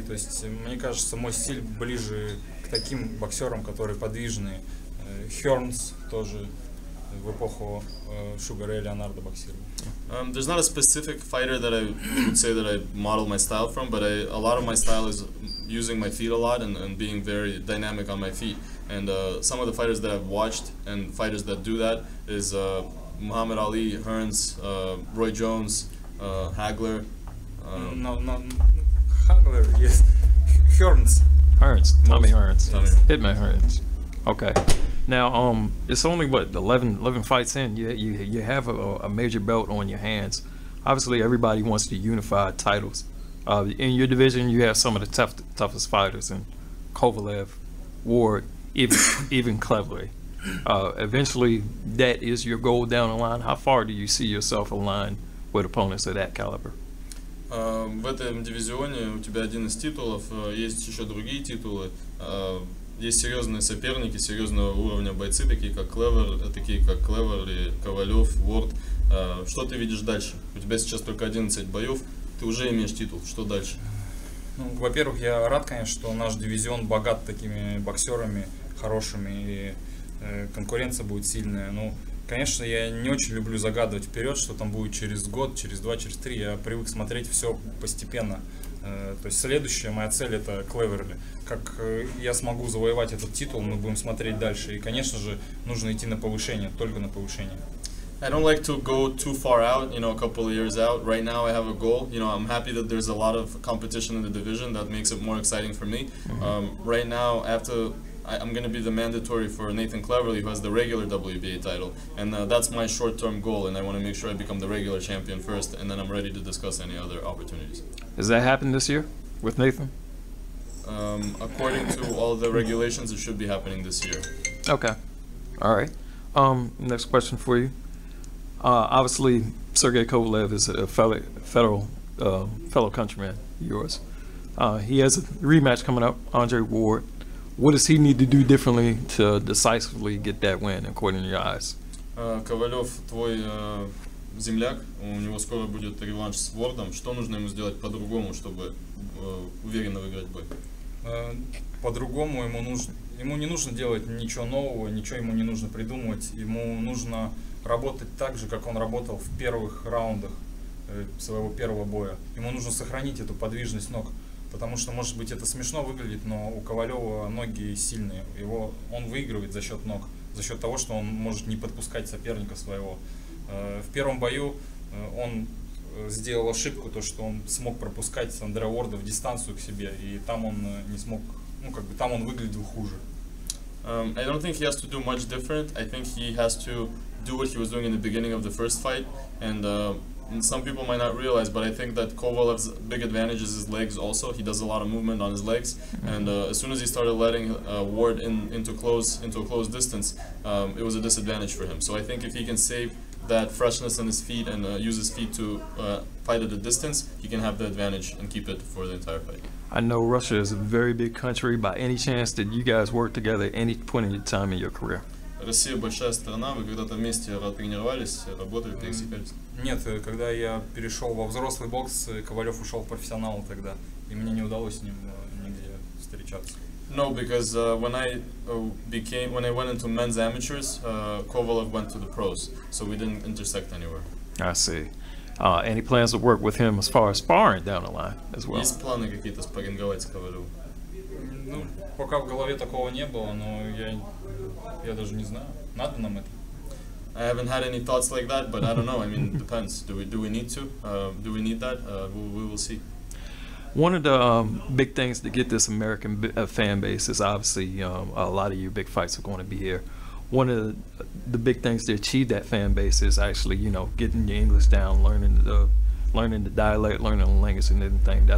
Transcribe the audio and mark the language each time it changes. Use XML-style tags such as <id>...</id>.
<ru>То есть, мне кажется, мой стиль ближе к таким боксерам, которые подвижные. Хернс тоже в эпоху Шугара и Леонарда боксировал.</ru> <en>There's not a specific fighter that I would say that I model my style from, but a lot of my style is using my feet a lot and being very dynamic on my feet. And some of the fighters that I've watched and fighters that do that is Muhammad Ali, Hearns, Roy Jones, Hagler. Hagler, yes. Hearns. Hearns. Tommy Hearns. Hitman Hearns. Okay. Now, it's only, what, 11 fights in, you have a major belt on your hands. Obviously, everybody wants to unify titles. In your division, you have some of the toughest fighters in Kovalev, Ward, even Cleverly. Eventually, that is your goal down the line. How far do you see yourself aligned with opponents of that caliber?</en> <ru>В этом дивизионе у тебя один из титулов, есть еще другие титулы. Есть серьезные соперники, серьезного уровня бойцы, такие как Клевер и Ковалев, Ворд. Что ты видишь дальше? У тебя сейчас только 11 боев, ты уже имеешь титул. Что дальше? Ну, во-первых, я рад, конечно, что наш дивизион богат такими боксерами хорошими, и конкуренция будет сильная. Ну, конечно, я не очень люблю загадывать вперед, что там будет через год, через два, через три. Я привык смотреть все постепенно. То есть следующая моя цель — это Клеверли. Как я смогу завоевать этот титул, мы будем смотреть дальше. И, конечно же, нужно идти на повышение, только на повышение.</ru> <en>I don't like to go too far out, you know, a couple of years out. Right now I have a goal. You know, I'm happy that there's a lot of competition in the division. That makes it more exciting for me. Right now, after I'm going to be the mandatory for Nathan Cleverly, who has the regular WBA title. And that's my short-term goal, and I want to make sure I become the regular champion first, and then I'm ready to discuss any other opportunities. Has that happened this year with Nathan? According to all the regulations, it should be happening this year. Okay. All right. Next question for you. Obviously, Sergey Kovalev is a fellow countryman of yours. He has a rematch coming up, Andre Ward. What does he need to do differently to decisively get that win, according to your eyes?</en> <ru>Ковалев, твой земляк, у него скоро будет реванш с Вордом. Что нужно ему сделать по-другому, чтобы уверенно выиграть бой? По-другому ему не нужно делать ничего нового, ничего ему не нужно придумывать. Ему нужно работать так же, как он работал в первых раундах своего первого боя. Ему нужно сохранить эту подвижность ног. Потому что, может быть, это смешно выглядит, но у Ковалева ноги сильные. Он выигрывает за счет ног, за счет того, что он может не подпускать соперника своего. В первом бою он сделал ошибку, то, что он смог пропускать Андре Уорда в дистанцию к себе, и там он не смог, ну, как бы, там он выглядел хуже.</ru> <en>I don't think he has to do much different. I think he has to do what he was doing in the beginning of the first fight, and some people might not realize, but I think that Kovalev's big advantage is his legs also. He does a lot of movement on his legs, and as soon as he started letting Ward into a close distance, it was a disadvantage for him. So I think if he can save that freshness in his feet and use his feet to fight at a distance, he can have the advantage and keep it for the entire fight. I know Russia is a very big country. By any chance, did you guys work together at any point in your time in your career?</en> <ru>Россия большая страна. Вы когда-то вместе тренировались, работали, пересекались? Нет, когда я перешел во взрослый бокс, Ковалев ушел в профессионал тогда, и мне не удалось с ним нигде встречаться.</ru> <en>No, because when I went into men's amateurs, Kovalev went to the pros, so we didn't intersect anywhere. I see. Any plans to work with him as far as sparring down the line as well?</en> <ru>Есть планы какие-то спарринговать с Ковалевым? Ну, пока в голове такого не было, но я даже не знаю. Надо нам это?</ru> <en>I haven't had any thoughts like that, but I don't know. I mean, it depends. Do we need to? Do we need that? We will see. One of the big things to get this American fan base is obviously a lot of your big fights are going to be here. One of the big things to achieve that fan base is actually, you know, getting your English down, learning the dialect, learning the language and everything.</en>